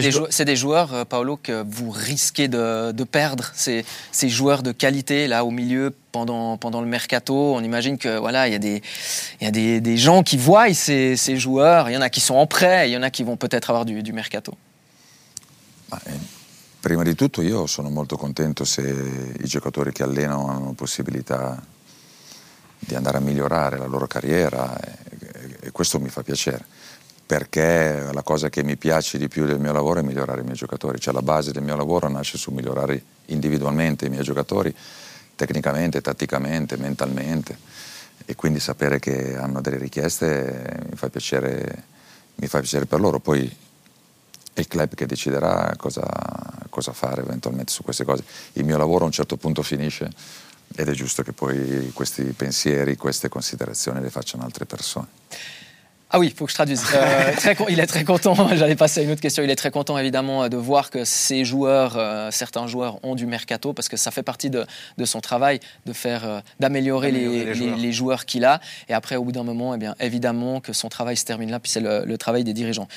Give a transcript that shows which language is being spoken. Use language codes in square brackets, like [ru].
[fr] C'est des joueurs, Paolo, que vous risquez de perdre, ces joueurs de qualité, là, au milieu, pendant le mercato. On imagine que voilà, il y a des gens qui voient ces joueurs, il y en a qui sont en prêt, il y en a qui vont peut-être avoir du mercato. [it] Prima di tutto io sono molto contento se i giocatori che allenano hanno possibilità di andare a migliorare la loro carriera e questo mi fa piacere perché la cosa che mi piace di più del mio lavoro è migliorare i miei giocatori, cioè la base del mio lavoro nasce su migliorare individualmente i miei giocatori tecnicamente, tatticamente, mentalmente e quindi sapere che hanno delle richieste mi fa piacere per loro, poi è il club che deciderà cosa fare eventualmente su queste cose. Il mio lavoro a un certo punto finisce ed è giusto che poi questi pensieri, queste considerazioni le facciano altre persone. [fr] Ah oui, il faut que je traduise. Il est très content, j'allais passer à une autre question, il est très content évidemment de voir que ses joueurs, certains joueurs ont du mercato, parce que ça fait partie de son travail de faire, d'améliorer les joueurs qu'il a. Et après, au bout d'un moment, eh bien, évidemment que son travail se termine là, puis c'est le travail des dirigeants.